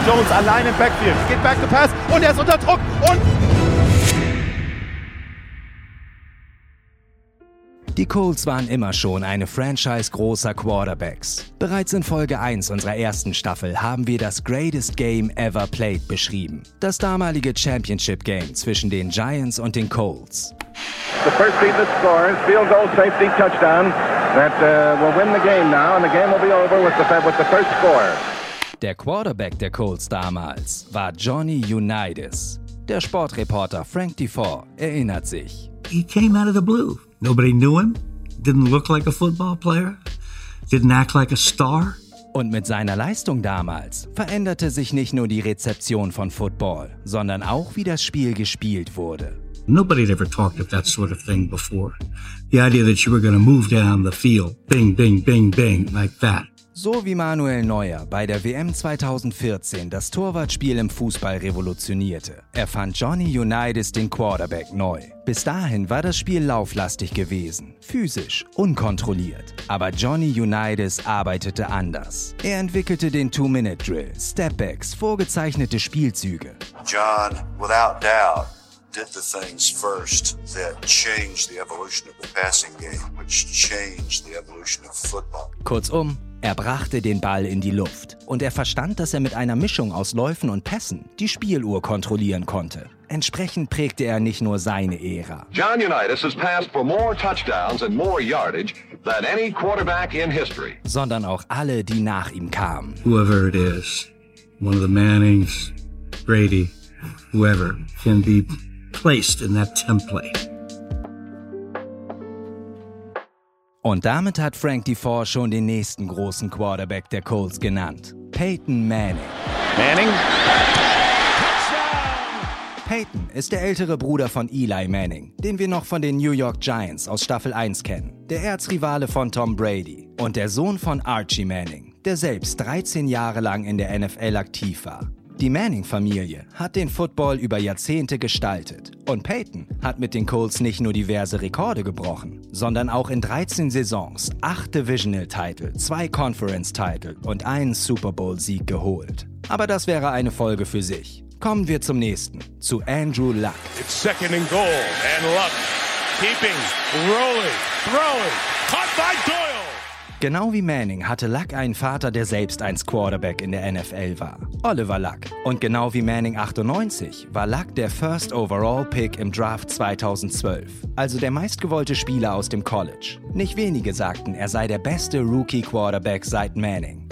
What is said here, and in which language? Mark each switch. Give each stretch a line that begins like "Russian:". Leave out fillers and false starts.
German: Jones allein im Backfield. Geht
English: back to pass.
German: Und er ist unter Druck. Und... Die Colts waren immer schon eine Franchise großer Quarterbacks. Bereits in Folge 1 unserer ersten Staffel haben wir das Greatest Game Ever Played beschrieben. Das damalige Championship Game zwischen den Giants und den Colts.
English: The first team that scores, field goal, safety, touchdown, that will win the game now and the game will be over with the first score.
German: Der Quarterback der Colts damals war Johnny Unitas. Der Sportreporter Frank Dufort erinnert sich.
English: He came out of the blue. Nobody knew him, didn't look like a football player, didn't act like a star.
German: Und mit seiner Leistung damals veränderte sich nicht nur die Rezeption von Football, sondern auch, wie das Spiel gespielt wurde.
English: Nobody had ever talked of that sort of thing before. The idea that you were going to move down the field, bing, bing, bing, bing, like that.
German: So wie Manuel Neuer bei der WM 2014 das Torwartspiel im Fußball revolutionierte, erfand Johnny Unitas den Quarterback neu. Bis dahin war das Spiel lauflastig gewesen, physisch, unkontrolliert. Aber Johnny Unitas arbeitete anders. Er entwickelte den Two-Minute-Drill, Stepbacks, vorgezeichnete Spielzüge.
English: John, without doubt, did the things first that changed the evolution of the passing game, which changed the evolution of football.
German: Kurzum, er brachte den Ball in die Luft und er verstand, dass er mit einer Mischung aus Läufen und Pässen die Spieluhr kontrollieren konnte. Entsprechend prägte er nicht nur seine Ära.
English: John Unitas has passed for more touchdowns and more yardage than any quarterback in history.
German: Sondern auch alle, die nach ihm kamen.
English: Whoever it is, one of the Mannings, Brady, whoever, can be placed in that template.
German: Und damit hat Frank DeFore schon den nächsten großen Quarterback der Colts genannt. Peyton Manning. Manning. Peyton ist der ältere Bruder von Eli Manning, den wir noch von den New York Giants aus Staffel 1 kennen, der Erzrivale von Tom Brady und der Sohn von Archie Manning, der selbst 13 Jahre lang in der NFL aktiv war. Die Manning-Familie hat den Football über Jahrzehnte gestaltet und Peyton hat mit den Colts nicht nur diverse Rekorde gebrochen, sondern auch in 13 Saisons 8 Divisional-Title, 2 Conference-Title und einen Super Bowl-Sieg geholt. Aber das wäre eine Folge für sich. Kommen wir zum nächsten, zu Andrew Luck.
English: It's second and goal, and Luck keeping, rolling, throwing, caught by Doyle.
German: Genau wie Manning hatte Luck einen Vater, der selbst einst Quarterback in der NFL war, Oliver Luck. Und genau wie Manning 98 war Luck der First Overall Pick im Draft 2012, also der meistgewollte Spieler aus dem College. Nicht wenige sagten, er sei der beste Rookie-Quarterback seit Manning.